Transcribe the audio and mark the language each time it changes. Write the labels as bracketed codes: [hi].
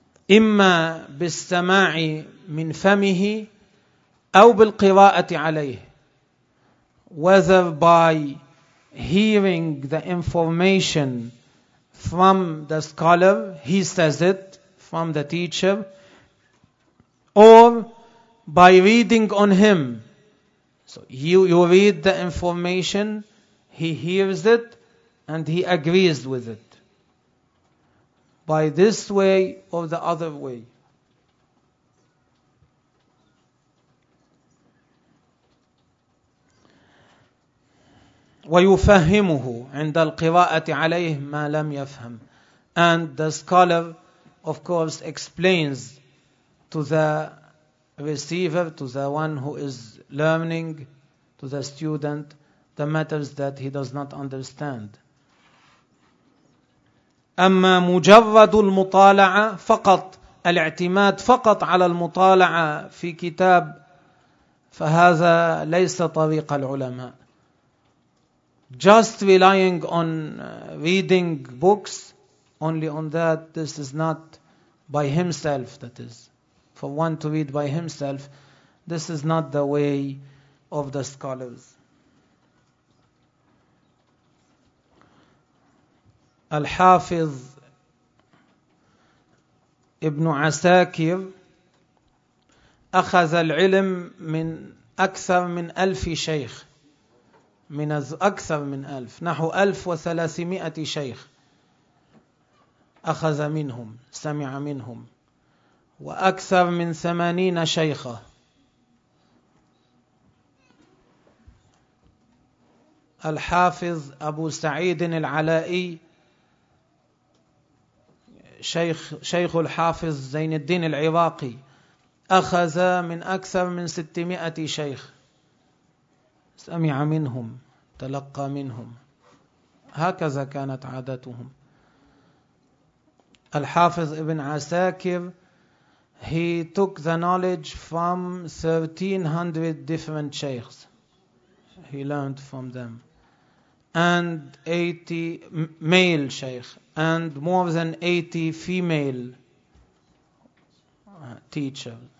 [ar] إما بالسماع من فمه أو بالقراءة عليه. [en] Whether by hearing the information from the scholar, he says it, from the teacher, or by reading on him. So you read the information, he hears it, and he agrees with it. By this way or the other way. [ar] ويفهمه عند القراءة عليه ما لم يفهم. [en] And the scholar, of course, explains to the receiver, to the one who is learning, to the student, the matters that he does not understand. [ar] أما مجرد المطالعة فقط، الاعتماد فقط على المطالعة في كتاب، فهذا ليس طريق العلماء. [en] Just relying on reading books, only on that, this is not by himself, that is, for one to read by himself, this is not the way of the scholars. [ar] Al-Hafiz ibn Asakir أخذ العلم من أكثر من ألف شيخ. من أكثر من ألف، نحو 1300 شيخ أخذ منهم، سمع منهم، وأكثر من 80 شيخا. الحافظ أبو سعيد العلائي، شيخ الحافظ زين الدين العراقي، أخذ من أكثر من 600 شيخ، سمع منهم، تلقى منهم، هكذا كانت عادتهم. [en] الحافظ ابن عساكر he took the knowledge from 1300 different sheikhs. He learned from them. And 80 male sheikh and more than 80 female teachers.